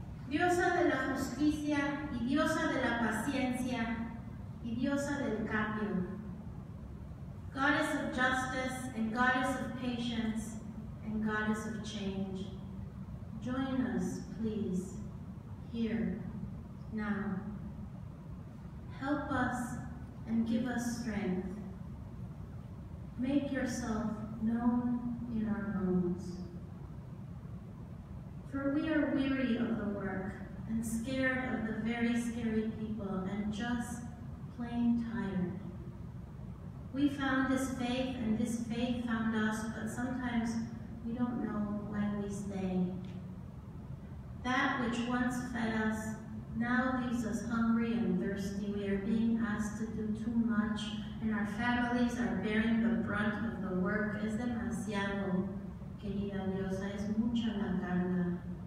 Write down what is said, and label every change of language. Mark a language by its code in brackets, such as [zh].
[es] Diosa de la justicia y diosa de la paciencia, y diosa del cambio. [en] Goddess of justice and goddess of patience and goddess of change. Join us, please, here, now. Help us and give us strength. Make yourself known in our bones. For we are weary of the work and scared of the very scary people and just plain tired. We found this faith and this faith found us, but sometimes we don't know why we stay. That which once fed us now leaves us hungry and thirsty. We are being asked to do too much, and our families are bearing the brunt of the work. [es] Es demasiado, querida Diosa, es mucha la carga.